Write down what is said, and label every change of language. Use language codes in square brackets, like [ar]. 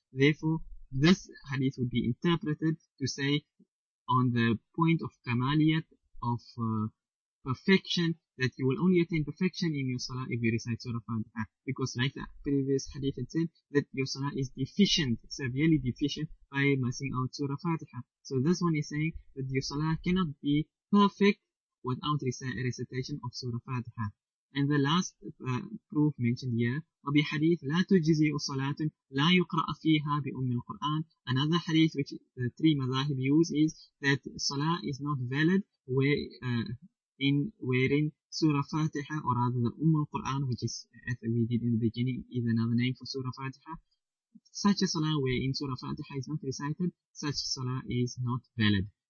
[en] Therefore, this hadith would be interpreted to say on the point of kamaliyat, of perfection, that you will only attain perfection in your salah if you recite Surah Fatiha. Because like the previous hadith had said, that your salah is deficient, severely deficient, by missing out Surah Fatiha. So this one is saying that your salah cannot be perfect without recitation of Surah Fatiha. And the last proof mentioned here, [ar] وَبِي حَدِيثِ لَا تُجِزِيُ صَلَاتٌ لَا يُقْرَأَ فِيهَا بِأُمِّ الْقُرْآنِ. [en] Another hadith which the three madhahib use is that salah is not valid wherein Surah Fatiha, or rather the Umm al-Qur'an, which is, as we did in the beginning, is another name for Surah Fatiha. Such a salah wherein Surah Fatiha is not recited, such salah is not valid.